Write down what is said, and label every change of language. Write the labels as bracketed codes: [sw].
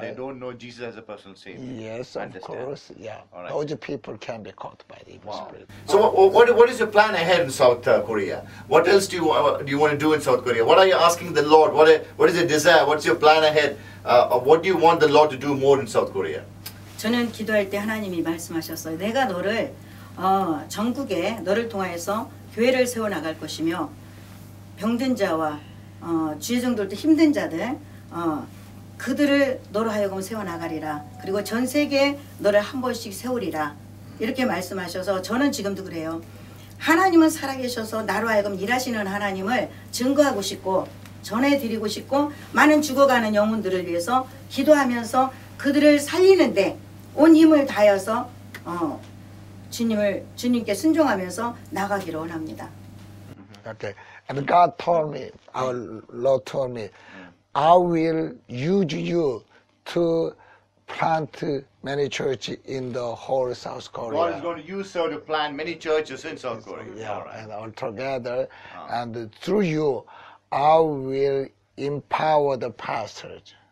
[en] They don't know Jesus as a personal savior. Yes, of course. Yeah. Right. Those people can be caught by the evil spirit. So, what is your plan ahead in South Korea? What else do you want to do in South Korea? What are you asking the Lord? What is your desire? What's your plan ahead? What do you want the Lord to do more in South Korea? [ko] 저는 기도할 때 하나님이 말씀하셨어요. 내가 너를 전국에 너를 통하여서 교회를 세워 나갈 것이며 병든 자와 주의종들도 힘든 자들 그들을 너로 하여금 세워 나가리라. 그리고 전 세계에 너를 한 번씩 세우리라. 이렇게 말씀하셔서 저는 지금도 그래요. 하나님은 살아계셔서 나로 하여금 일하시는 하나님을 증거하고 싶고 전해드리고 싶고 많은 죽어가는 영혼들을 위해서 기도하면서 그들을 살리는데 온 힘을 다해서 주님께 순종하면서 나가기로 원합니다. [en] Okay. And God told me, our Lord told me, I will use you to plant many churches in the whole South Korea. God is going to use her to plant many churches in South Korea. Yeah, all right. And all together, and through you, I will empower the pastors.